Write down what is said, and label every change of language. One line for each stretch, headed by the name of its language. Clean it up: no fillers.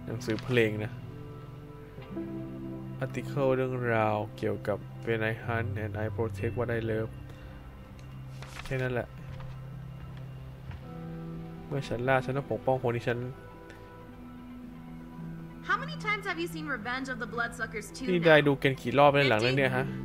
Thai: ซื้อเพลงนะ Article เรื่องราวเกี่ยวกับ
English: When I Hunt and I Protect What I Love
Thai: แค่นั้นแหละเมื่อฉันล่าฉันต้องปกป้องคนที่ฉัน
English: How many times have you seen Revenge of the Bloodsuckers 2
Thai: นี่ได้ดูกันกี่รอบในหลังเรื่องนี้ฮะ